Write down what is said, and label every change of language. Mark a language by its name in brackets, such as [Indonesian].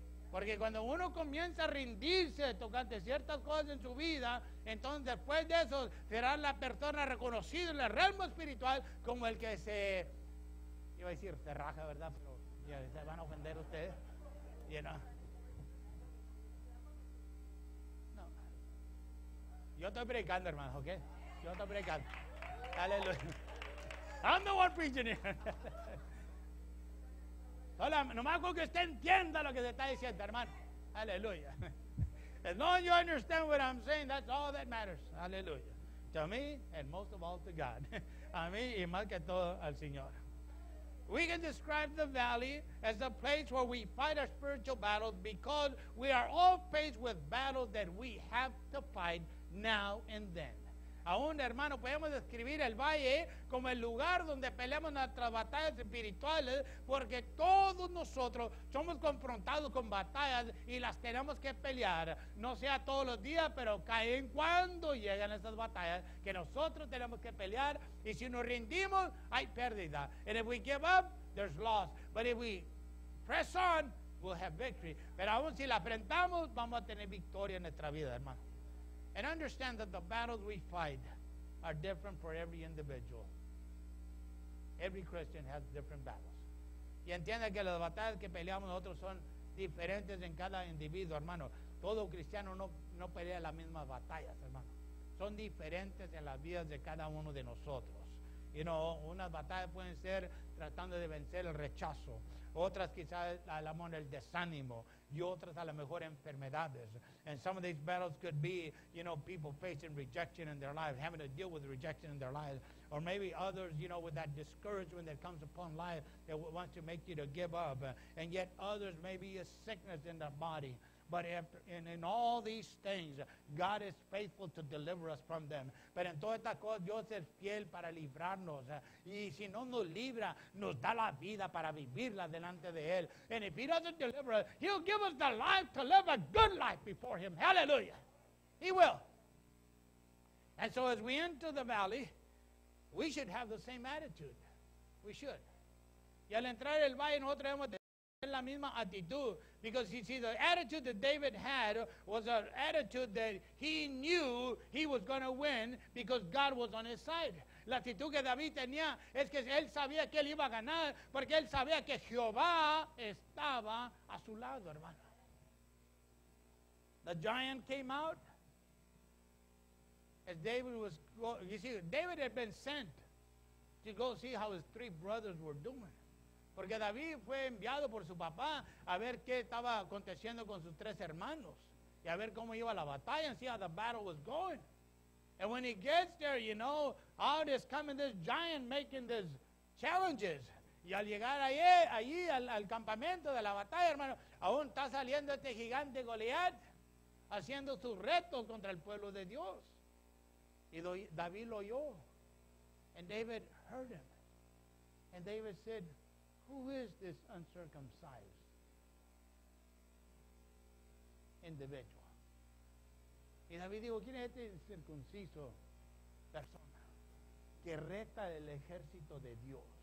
[Spanish] Porque cuando uno comienza a rendirse tocante ciertas cosas en su vida, entonces después de eso será la persona reconocida en el reino espiritual como el que se, iba a decir, se raja, ¿verdad? Pero ya, se van a ofender ustedes. [English] You know? [Spanish] No. Yo estoy predicando, hermano, ¿ok? Yo estoy predicando. Aleluya. [English] I'm the one preaching here. [Spanish] Hola, nomás con que usted entienda lo que se está diciendo, hermano. Aleluya. [English] As long as you understand what I'm saying, that's all that matters. Aleluya. To me, and most of all to God. [Spanish] A mí y más que todo al Señor. [English] We can describe the valley as a place where we fight our spiritual battles because we are all faced with battles that we have to fight now and then. [Spanish] Aún, hermano, podemos describir el valle como el lugar donde peleamos nuestras batallas espirituales, porque todos nosotros somos confrontados con batallas y las tenemos que pelear. No sea todos los días, pero caen cuando llegan esas batallas que nosotros tenemos que pelear. Y si nos rendimos, hay pérdida. [English] And if we give up, there's loss. But if we press on, we'll have victory. [Spanish] Pero aún si la enfrentamos, vamos a tener victoria en nuestra vida, hermano. [English] And understand that the battles we fight are different for every individual. Every Christian has different battles. [Spanish] Y entienda que las batallas que peleamos nosotros son diferentes en cada individuo, hermano. Todo cristiano no pelea las mismas batallas, hermano. Son diferentes en las vidas de cada uno de nosotros. You know, unas batallas pueden ser tratando de vencer el rechazo. Otras quizás al amor el desánimo. Y otras a lo mejor enfermedades. [English] And some of these battles could be, you know, people facing rejection in their lives, having to deal with rejection in their lives. Or maybe others, you know, with that discouragement that comes upon life that wants to make you to give up. And yet others may be a sickness in the body. But in all these things, God is faithful to deliver us from them. [Spanish] Pero en todas estas cosas, Dios es fiel para librarnos. Y si no nos libra, nos da la vida para vivirla delante de Él. [English] And if He doesn't deliver us, He'll give us the life to live a good life before Him. Hallelujah. He will. And so as we enter the valley, we should have the same attitude. We should. [Spanish] Y al entrar el valle, nosotros debemos tener la misma actitud. [English] Because you see, the attitude that David had was an attitude that he knew he was going to win because God was on his side. [Spanish] La actitud que David tenía es que él sabía que él iba a ganar porque él sabía que Jehová estaba a su lado, hermano. [English] The giant came out as David was, you see, David had been sent to go see how his three brothers were doing. [Spanish] Porque David fue enviado por su papá a ver qué estaba aconteciendo con sus tres hermanos y a ver cómo iba la batalla [English] and see how the battle was going. And when he gets there, you know, out is coming this giant making these challenges. [Spanish] Y al llegar allí al campamento de la batalla, hermano, aún está saliendo este gigante Goliat haciendo sus retos contra el pueblo de Dios. Y David lo oyó. [English] And David heard him. And David said, "Who is this uncircumcised individual?" [Spanish] Y David dijo, ¿quién es este incircunciso persona que reta el ejército de Dios?